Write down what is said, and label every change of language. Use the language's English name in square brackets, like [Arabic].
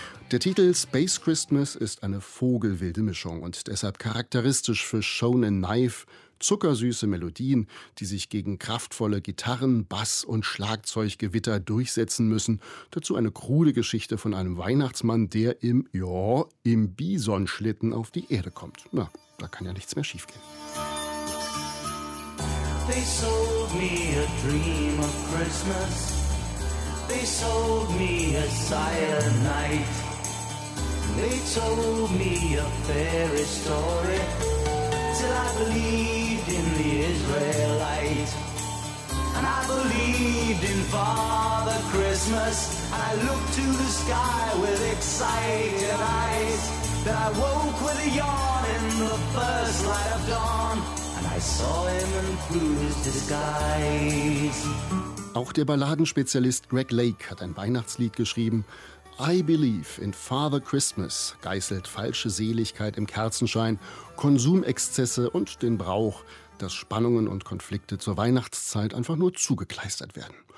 [German] Der Titel Space Christmas ist eine vogelwilde Mischung und deshalb charakteristisch für Shonen Knife, zuckersüße Melodien, die sich gegen kraftvolle Gitarren, Bass und Schlagzeuggewitter durchsetzen müssen. Dazu eine krude Geschichte von einem Weihnachtsmann, der im Bisonschlitten auf die Erde kommt. Na, da kann ja nichts mehr schiefgehen. [English] They sold me a dream of Christmas. They sold me a silent night. They told me a fairy story till I believed in the Israelite. And I believed in Father Christmas. And I looked to the sky with excited eyes. Then I woke with a yawn in the first light of dawn. And I saw him in his disguise. [German] Auch der Balladenspezialist Greg Lake hat ein Weihnachtslied geschrieben. I believe in Father Christmas geißelt falsche Seligkeit im Kerzenschein, Konsumexzesse und den Brauch, dass Spannungen und Konflikte zur Weihnachtszeit einfach nur zugekleistert werden.